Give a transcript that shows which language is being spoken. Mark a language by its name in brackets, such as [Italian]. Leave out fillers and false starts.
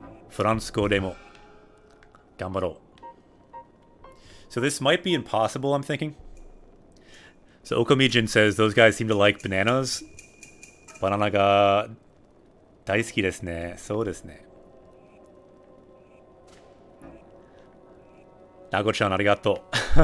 [Japanese] フランス語でも頑張ろう。 [English] So this might be impossible, I'm thinking. So Okamijin says those guys seem to like bananas. [Japanese] バナナが大好きですね。そうですね。ナゴちゃんありがとう。